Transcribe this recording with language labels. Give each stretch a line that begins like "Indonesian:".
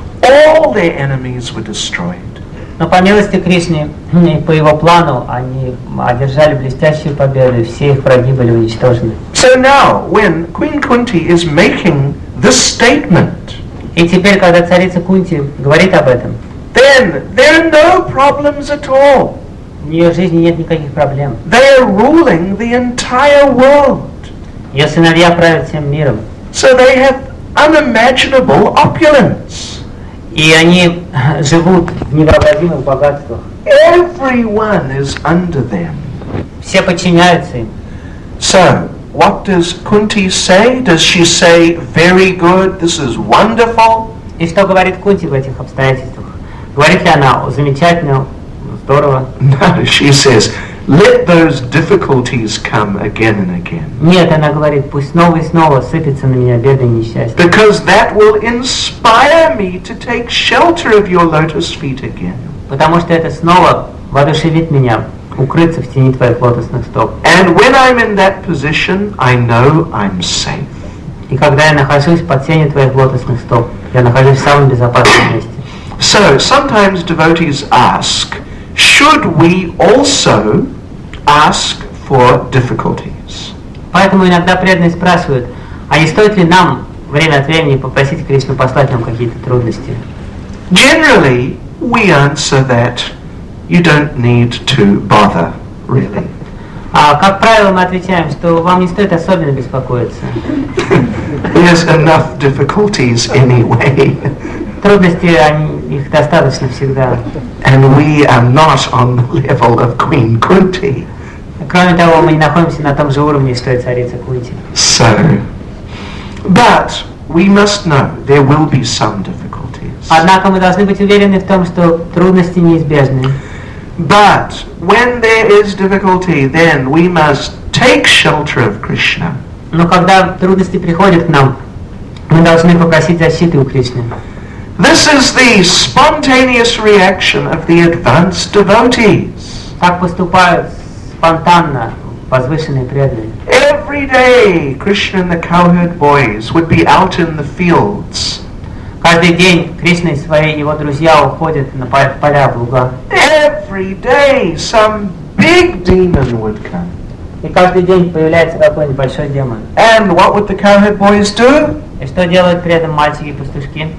English: All their enemies were destroyed.
Russian: Но по милости Кришны и по его плану они одержали блестящую победу, и все их враги были уничтожены.
English: So now, when Queen Kunti is making this statement,
Russian: и теперь, когда царица Кунти говорит об этом,
English: then there are no problems at all.
Russian: В ее жизни нет никаких проблем.
English: They are ruling the entire world.
Russian: Ее сыновья правят всем миром.
English: So they have unimaginable opulence.
Russian: И они живут в невообразимых богатствах.
English: Everyone is under them.
Russian: Все подчиняются им.
English: So, what does Kunti say? Does she say, very good, this is wonderful?
Russian: И что говорит Кунти в этих обстоятельствах? Говорит ли она, замечательно, здорово?
English: No, she says, let those difficulties come again and again.
Russian: Нет, она говорит, пусть снова и снова сыпятся на меня беды и несчастья.
English: Because that will inspire me to take shelter of your lotus feet again.
Russian: Потому что это снова воодушевит меня укрыться в тени твоих лотосных стоп.
English: And when I'm in that position, I know I'm safe.
Russian: И когда я нахожусь под тенью твоих лотосных стоп, я нахожусь в самом безопасном месте.
English: So, sometimes devotees ask, should we also ask for difficulties?
Russian: Поэтому иногда преданные спрашивают, а не стоит ли нам время от времени попросить Кришну послать нам какие-то трудности?
English: Generally, we answer that you don't need to bother, really.
Russian: А как правило, мы отвечаем, что вам не стоит особенно беспокоиться.
English: There's enough difficulties anyway.
Russian: Трудности, они, их достаточно всегда.
English: And we are not on the level of Queen Kunti.
Russian: Кроме того, мы не находимся на том же уровне, что и царица Кунти.
English: So, but we must know there will be some difficulties.
Russian: Однако мы должны быть уверены в том, что трудности неизбежны.
English: But when there is difficulty, then we must take shelter of Krishna.
Russian: Но когда трудности приходят к нам, мы должны попросить защиты у Кришны.
English: This is the spontaneous reaction of the advanced devotees.
Russian: Так поступают спонтанно возвышенные преданные.
English: Every day, Krishna and the cowherd boys would be out in the fields.
Russian: Каждый день Кришна и свои его друзья уходят на поля в луга.
English: Every day, some big demon would come.
Russian: И каждый день появляется какой-нибудь большой демон.
English: And what would the cowherd boys do?
Russian: И что делают при этом мальчики и пастушки?